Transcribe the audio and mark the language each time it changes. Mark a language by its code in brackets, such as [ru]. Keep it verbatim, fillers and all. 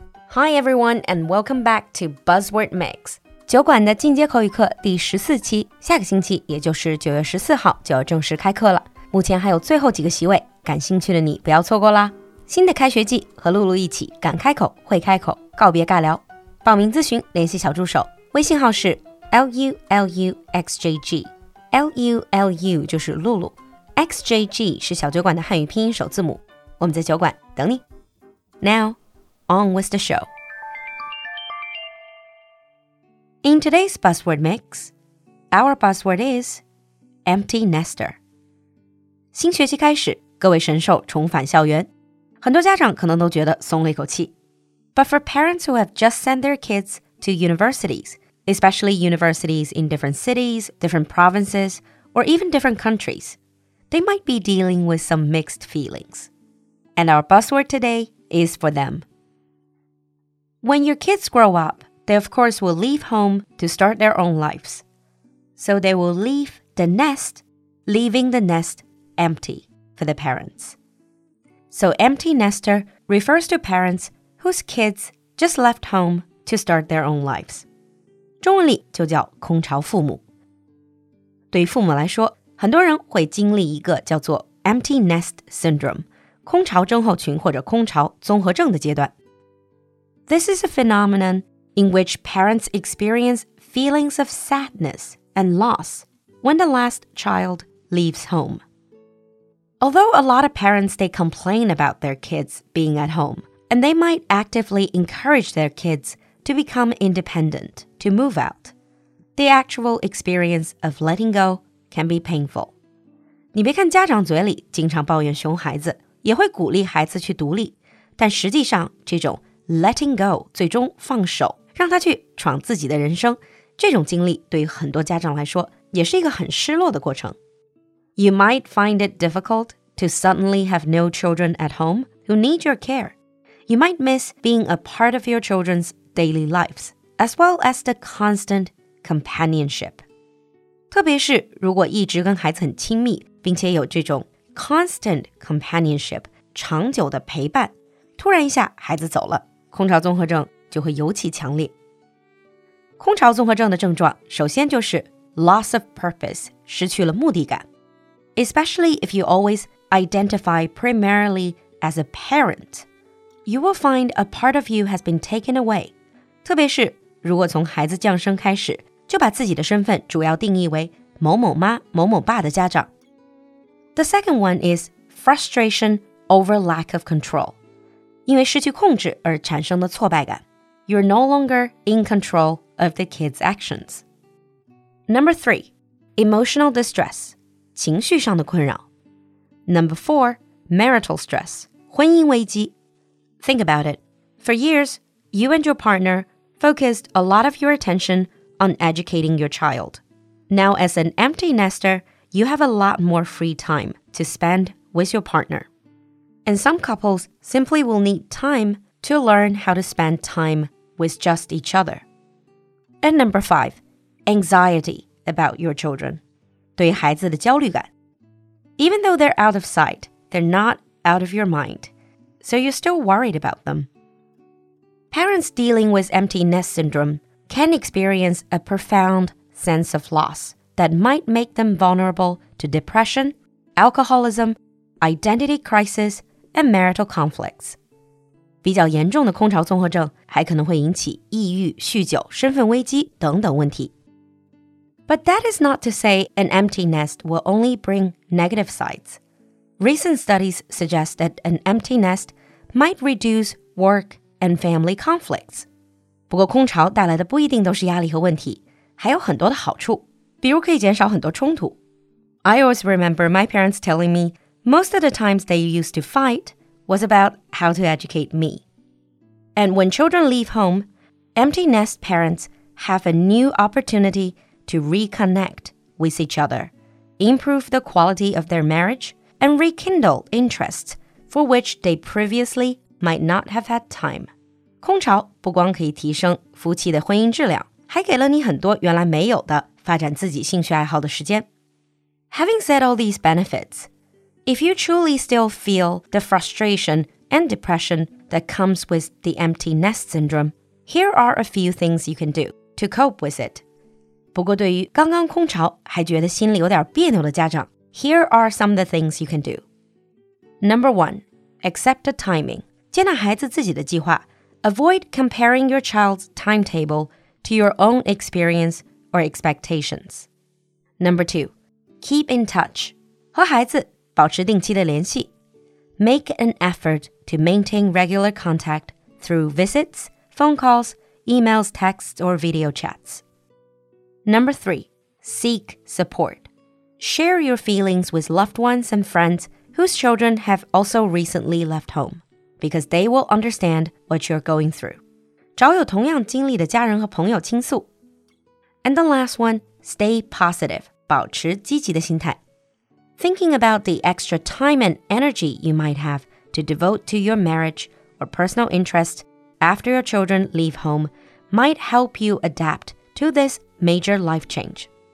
[en] Hi everyone and welcome back to Buzzword Mix. [zh] 酒馆的进阶口语课第十四期，下个星期也就是九月十四号就要正式开课了。目前还有最后几个席位，感兴趣的你不要错过啦。新的开学季，和露露一起敢开口会开口，告别尬聊。报名咨询联系小助手，微信号是 L U L U X J G。 L U L U 就是露露， X J G 是小酒馆的汉语拼音首字母。我们在酒馆等你。 [en] Now, on with the show. In today's buzzword mix, our buzzword is empty nester. [zh] 新学期开始，各位神兽重返校园，很多家长可能都觉得松了一口气。 [en] But for parents who have just sent their kids to universities, especially universities in different cities, different provinces, or even different countries, they might be dealing with some mixed feelings. And our buzzword today is for them. When your kids grow up,They, of course, will leave home to start their own lives. So they will leave the nest, leaving the nest empty for the parents. So empty nester refers to parents whose kids just left home to start their own lives. [zh] 中文里就叫空巢父母。对于父母来说，很多人会经历一个叫做 [en] empty nest syndrome, [zh] 空巢症候群或者空巢综合症的阶段。 [en] This is a phenomenon. In which parents experience feelings of sadness and loss when the last child leaves home. Although a lot of parents, they complain about their kids being at home, and they might actively encourage their kids to become independent, to move out. The actual experience of letting go can be painful. [zh] 你别看家长嘴里经常抱怨熊孩子，也会鼓励孩子去独立，但实际上这种 [en] letting go [zh] 最终放手让他去闯自己的人生，这种经历对于很多家长来说也是一个很失落的过程。 [en] You might find it difficult to suddenly have no children at home who need your care. You might miss being a part of your children's daily lives, as well as the constant companionship. [zh] 特别是如果一直跟孩子很亲密，并且有这种 [en] constant companionship [zh] 长久的陪伴，突然一下孩子走了，空巢综合症就会尤其强烈。空巢综合症的症状首先就是 [en] loss of purpose, [zh] 失去了目的感。 [en] Especially if you always identify primarily as a parent, you will find a part of you has been taken away. [zh] 特别是如果从孩子降生开始，就把自己的身份主要定义为某某妈、某某爸的家长。 [en] The second one is frustration over lack of control. [zh] 因为失去控制而产生的挫败感。 [en] You're no longer in control of the kids' actions. Number three, emotional distress, [zh] 情绪上的困扰。 [en] Number four, marital stress, [zh] 婚姻危机。 [en] Think about it. For years, you and your partner focused a lot of your attention on educating your child. Now, as an empty nester, you have a lot more free time to spend with your partner. And some couples simply will need time to learn how to spend time with just each other. And number five, anxiety about your children. [zh] 对孩子的焦虑感。 [en] Even though they're out of sight, they're not out of your mind. So you're still worried about them. Parents dealing with empty nest syndrome can experience a profound sense of loss that might make them vulnerable to depression, alcoholism, identity crisis,and marital conflicts. [zh] 比较严重的空巢综合症还可能会引起抑郁、酗酒、身份危机等等问题。 [en] But that is not to say an empty nest will only bring negative sides. Recent studies suggest that an empty nest might reduce work and family conflicts. [zh] 不过空巢带来的不一定都是压力和问题，还有很多的好处，比如可以减少很多冲突。 [en] I always remember my parents telling me,Most of the times they used to fight was about how to educate me. And when children leave home, empty nest parents have a new opportunity to reconnect with each other, improve the quality of their marriage, and rekindle interests for which they previously might not have had time. [zh] 空巢不光可以提升夫妻的婚姻质量，还给了你很多原来没有的发展自己兴趣爱好的时间。 [en] Having said all these benefits,If you truly still feel the frustration and depression that comes with the empty nest syndrome, here are a few things you can do to cope with it. [zh] 不过对于刚刚空巢还觉得心里有点别扭的家长 [en] here are some of the things you can do. Number one, accept the timing. [zh] 接纳孩子自己的计划 [en] Avoid comparing your child's timetable to your own experience or expectations. Number two, keep in touch. [zh] 和孩子保持定期的联系 [en] Make an effort to maintain regular contact through visits, phone calls, emails, texts, or video chats. Number three, seek support. Share your feelings with loved ones and friends whose children have also recently left home, because they will understand what you're going through. [zh] 找有同样经历的家人和朋友倾诉。 [en] And the last one, stay positive. [zh] 保持积极的心态。 [en] Thinking about the extra time and energy you might have to devote to your marriage or personal interests after your children leave home might help you adapt to this major life change.